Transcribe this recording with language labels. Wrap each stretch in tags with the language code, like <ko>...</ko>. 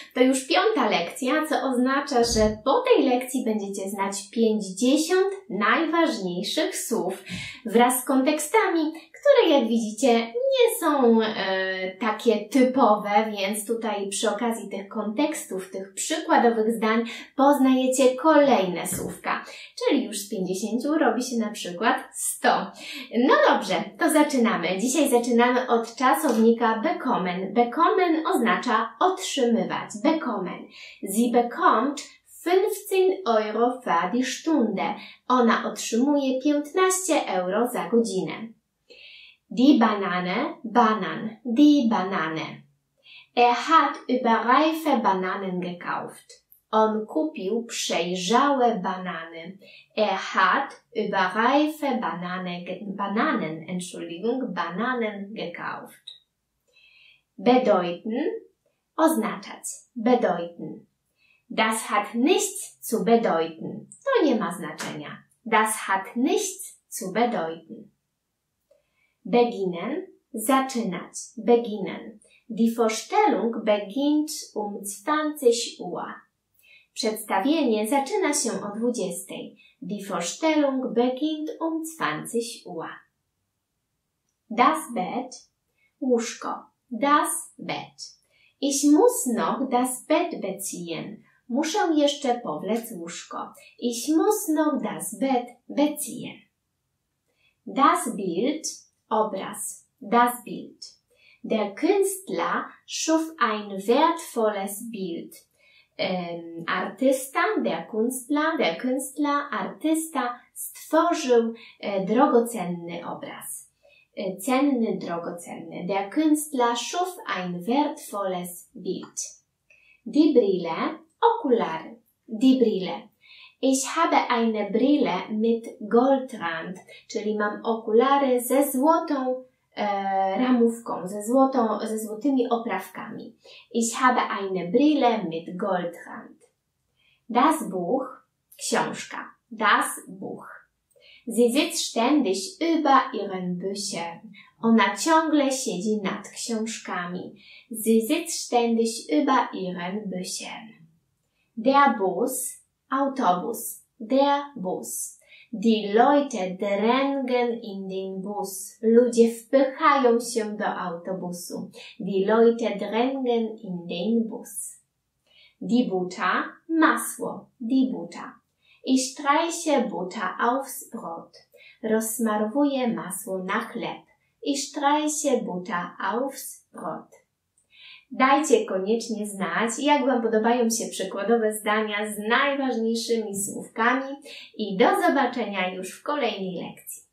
<pl>To już piąta lekcja, co oznacza, że po tej lekcji będziecie znać 50 najważniejszych słów wraz z kontekstami, które jak widzicie nie są takie typowe, więc tutaj przy okazji tych kontekstów, tych przykładowych zdań poznajecie kolejne słówka. Czyli już z 50 robi się na przykład 100. No dobrze, to zaczynamy. Dzisiaj zaczynamy od czasownika bekommen. Bekommen oznacza otrzymywać.</pl> <de>Bekommen. Sie bekommt 15 euro für die Stunde.</de> <pl>Ona otrzymuje 15 euro za godzinę.</pl> <de>Die Banane, Banan, die Banane. Er hat überreife Bananen gekauft.</de> <pl>On kupił przejrzałe banany.</pl> <de>Er hat überreife Bananen gekauft. Bedeuten, oznaczać, bedeuten. Das hat nichts zu bedeuten.</de> <pl>To nie ma znaczenia.</pl> <de>Das hat nichts zu bedeuten. Beginnen, zaczynać, beginnen. Die Vorstellung beginnt 20 Uhr.</de> <pl>Przedstawienie zaczyna się o 20.</pl> <de>Die Vorstellung beginnt 20 Uhr. Das Bett, łóżko, das Bett. Ich muss noch das Bett beziehen.</de> <pl>Muszę jeszcze powlec łóżko.</pl> <de>Ich muss noch das Bett beziehen. Das Bild, obraz, das Bild. Der Künstler schuf ein wertvolles Bild.</de> <pl>Artysta, der Künstler, stworzył drogocenny obraz. Cenny, drogocenny.</pl> <de>Der Künstler schuf ein wertvolles Bild. Die Brille, okulary. Die Brille. Ich habe eine Brille mit Goldrand,</de> <pl>czyli mam okulary ze złotą ramówką, ze złotymi oprawkami.</pl> <de>Ich habe eine Brille mit Goldrand. Das Buch, książka. Das Buch. Sie sitzt ständig über ihren Büchern.</de> <pl>Ona ciągle siedzi nad książkami.</pl> <de>Sie sitzt ständig über ihren Büchern. Der Bus, autobus, der Bus. Die Leute drängen in den Bus.</de> <pl>Ludzie wpychają się do autobusu.</pl> <de>Die Leute drängen in den Bus. Die Butter, masło, die Butter. Ich streiche Butter aufs Brot.</de> <pl>Rozsmarowuję masło na chleb.</pl> <de>Ich streiche Butter aufs Brot.</de> <pl>Dajcie koniecznie znać, jak Wam podobają się przykładowe zdania z najważniejszymi słówkami i do zobaczenia już w kolejnej lekcji.</pl>